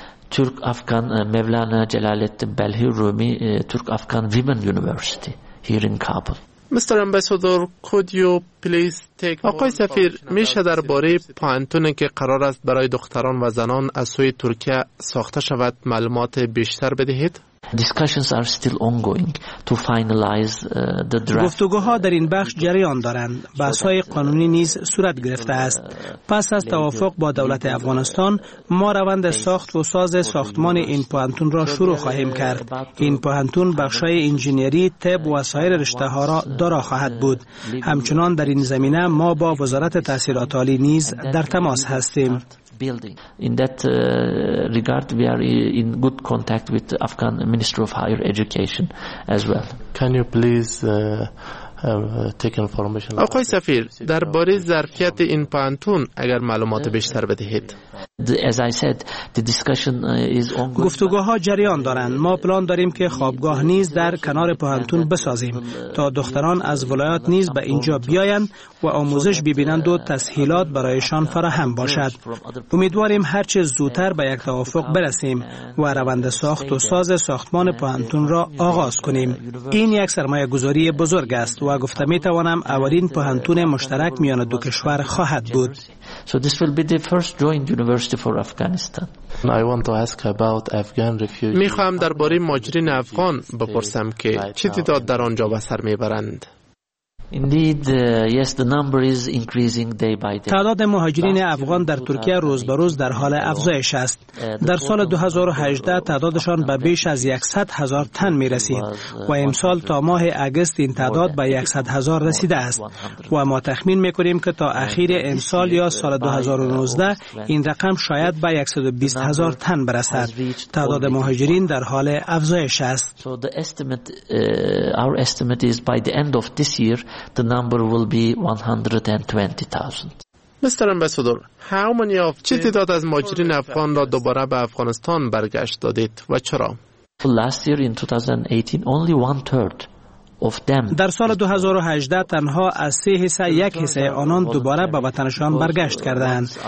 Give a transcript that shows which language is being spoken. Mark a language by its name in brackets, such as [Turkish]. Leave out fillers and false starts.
[English] ترک‌افغان مولانا جلال‌الدین بلخی رومی Turk Afghan women university here in Kabul. Mr. Ambassador, could you please take [Persian] آقای سفیر، میشه درباره پوهنتونی که قرار است برای دختران و زنان از سوی ترکیه ساخته شود معلومات بیشتر بدهید؟ [English] Discussions are still ongoing to finalize the draft. [Persian] گفتگوها در این بخش جریان دارند. بحث‌های قانونی نیز صورت گرفته است. پس از توافق با دولت افغانستان، ما روند ساخت و ساز ساختمان این پوهنتون را شروع خواهیم کرد. این پوهنتون بخش‌های انجینری، طب و سایر رشته‌ها را دارا خواهد بود. همچنان در این زمینه ما با وزارت تحصیلات عالی نیز در تماس هستیم. [English] In that regard we are in good contact with the Afghan Minister of Higher Education as well. Can you please take information [Persian] آقای سفیر، درباره ظرفیت این پوهنتون اگر معلومات بیشتر بدهید. [English] As I said, the discussion is ongoing. [Persian] گفتگوها جریان دارند. ما پلان داریم که خوابگاه نیز در کنار پوهنتون بسازیم تا دختران از ولایات نیز به اینجا بیایند و آموزش ببینند و تسهیلات برایشان فراهم باشد. امیدواریم هر چه زودتر به یک توافق برسیم و روند ساخت و ساز ساختمان پوهنتون را آغاز کنیم. این یک سرمایه گذاری بزرگ است و گفته می توانم اولین پوهنتون مشترک میان دو کشور خواهد بود. [English] So this will be the first joint university for Afghanistan. I want to ask about Afghan refugees. [Persian] می خواهم درباره مهاجرین افغان بپرسم که چه تعداد در آنجا به سر می برند. [English] Indeed, yes, the number is increasing day by day. [Persian] تعداد مهاجرین افغان در ترکیه روز به روز در حال افزایش است. در سال 2018 تعدادشان به بیش از 100 هزار تن می رسید و امسال تا ماه آگوست این تعداد به 100 هزار رسیده است و ما تخمین می کنیم که تا اخیر امسال یا سال 2019 این رقم شاید به 120 هزار تن برسد. تعداد مهاجرین در حال افزایش است. [English] So the estimate, our estimate is by the end of this year the number will be 120,000. Mr. Ambassador, how many of the [Persian] تعداد از مهاجرین افغان را دوباره به افغانستان برگشت دادید و چرا؟ [English] Last year in 2018 only one third of them. [Persian] در سال 2018 تنها از 3 حصه 1 حصه آنان دوباره به وطنشان برگشت کردند.